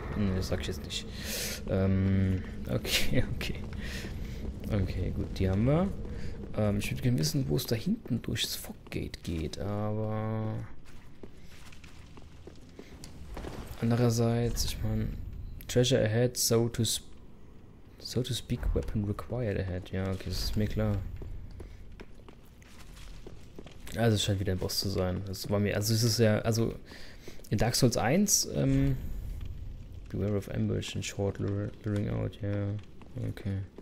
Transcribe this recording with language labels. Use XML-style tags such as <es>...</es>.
<de>Ne, das sag ich jetzt nicht. Okay. Okay, gut, die haben wir. Ich würde gerne wissen, wo es da hinten durchs Foggate geht, aber... Andererseits, ich meine...</de> <en>Treasure ahead, so to speak, weapon required ahead.</en> <de>Ja, okay, das ist mir klar. Also, es scheint wieder ein Boss zu sein. Das war mir... Also, es ist ja... Also, in Dark Souls 1,</de> <en>Beware of ambush and short luring out,</en> <de>ja. Yeah. Okay.</de>